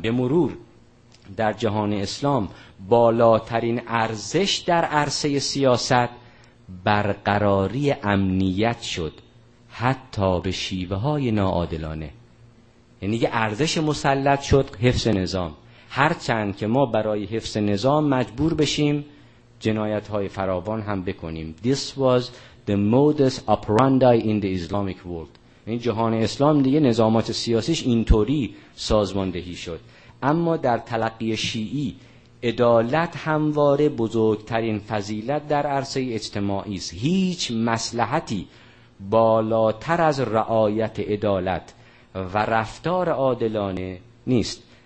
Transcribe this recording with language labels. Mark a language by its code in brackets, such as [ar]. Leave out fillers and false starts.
[fa] به مرور در جهان اسلام بالاترین ارزش در عرصه سیاست برقراری امنیت شد، حتی به شیوه های ناعادلانه. یعنی یه ارزش مسلط شد حفظ نظام، هرچند که ما برای حفظ نظام مجبور بشیم جنایت های فراوان هم بکنیم. [en] This was the modus operandi in the Islamic world. [fa] یعنی جهان اسلام دیگه نظامات سیاسیش اینطوری سازماندهی شد. اما در تلقی شیعی عدالت همواره بزرگترین فضیلت در عرصه اجتماعی است. هیچ مصلحتی بالاتر از رعایت عدالت و رفتار عادلانه نیست.